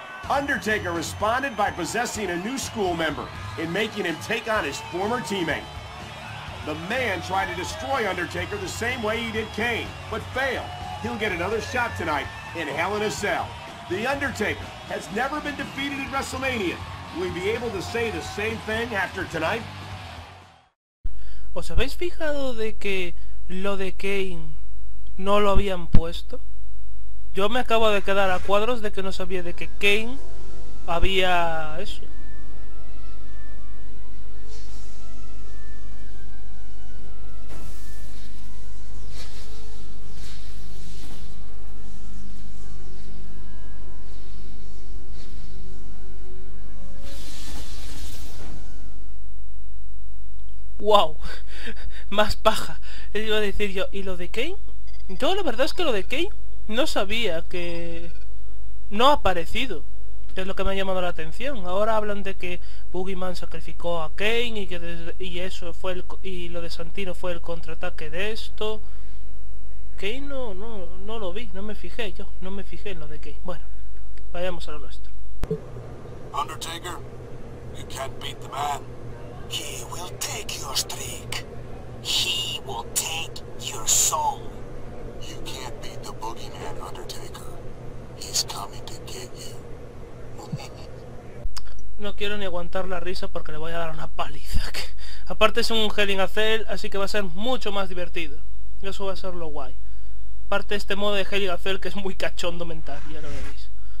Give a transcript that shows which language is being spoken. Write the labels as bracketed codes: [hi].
[en] Undertaker responded by possessing a New School member and making him take on his former teammate. The man tried to destroy Undertaker the same way he did Kane, but failed. He'll get another shot tonight in Hell in a Cell. The Undertaker has never been defeated in WrestleMania. Will he be able to say the same thing after tonight? [es] ¿Os habéis fijado de que lo de Kane no lo habían puesto? Yo me acabo de quedar a cuadros de que no sabía de que Kane había eso. ¡Wow! Más paja. Iba a decir yo, ¿y lo de Kane? Yo la verdad es que lo de Kane no sabía que... no ha aparecido. Es lo que me ha llamado la atención. Ahora hablan de que Boogeyman sacrificó a Kane y que y lo de Santino fue el contraataque de esto. Kane no lo vi, no me fijé yo. No me fijé en lo de Kane. Bueno, vayamos a lo nuestro. [en] Undertaker, you can't beat the man. He will take your streak. He will take your soul. You can't beat the Boogeyman, Undertaker. He's coming to get you. [es] No quiero ni aguantar la risa porque le voy a dar una paliza. Aparte es un Hell in a Cell, así que va a ser mucho más divertido. Eso va a ser lo guay. Aparte este modo de Hell in a Cell que es muy cachondo mental, ya lo veréis.